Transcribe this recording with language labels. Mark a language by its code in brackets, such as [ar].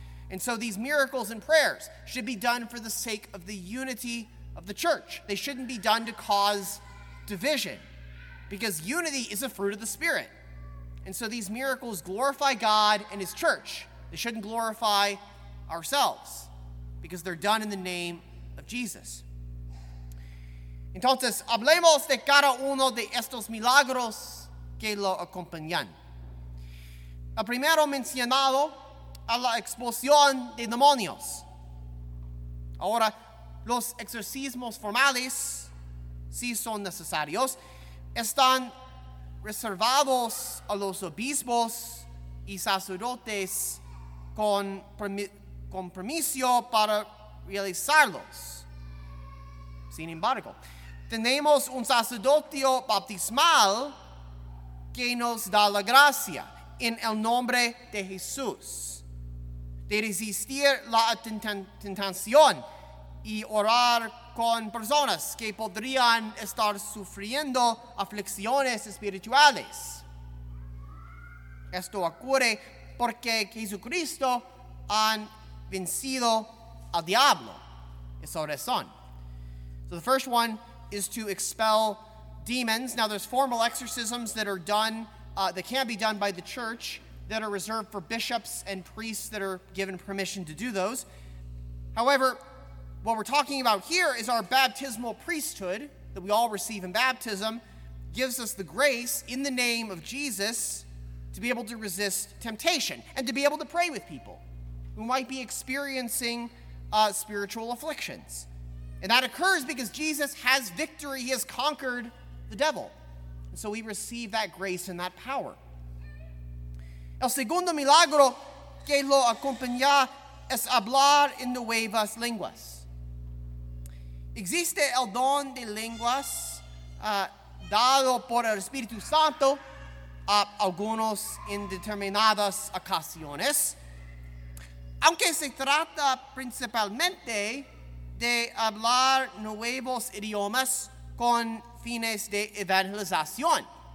[en] And so these miracles and prayers should be done for the sake of the unity of the church. They shouldn't be done to cause division, because unity is a fruit of the Spirit. And so these miracles glorify God and his church. They shouldn't glorify ourselves, because they're done in the name of Jesus. [es] Entonces, hablemos de cada uno de estos milagros que lo acompañan. El primero mencionado, a la expulsión de demonios. Ahora, los exorcismos formales, si son necesarios, están reservados a los obispos y sacerdotes con permiso para realizarlos. Sin embargo, tenemos un sacerdote bautismal que nos da la gracia en el nombre de Jesús de resistir la tentación y orar con personas que podrían estar sufriendo aflicciones espirituales. Esto ocurre porque Jesucristo ha vencido al diablo. Esa razón. [en] So the first one is to expel demons. Now there's formal exorcisms that are done, that can be done by the church, that are reserved for bishops and priests that are given permission to do those. However, what we're talking about here is our baptismal priesthood that we all receive in baptism gives us the grace in the name of Jesus to be able to resist temptation and to be able to pray with people who might be experiencing spiritual afflictions. And that occurs because Jesus has victory. He has conquered the devil. And so we receive that grace and that power. [es] El segundo milagro que lo acompaña es hablar en nuevas lenguas. Existe el don de lenguas dado por el Espíritu Santo a algunos en determinadas ocasiones, aunque se trata principalmente de hablar nuevos idiomas con fines de evangelización.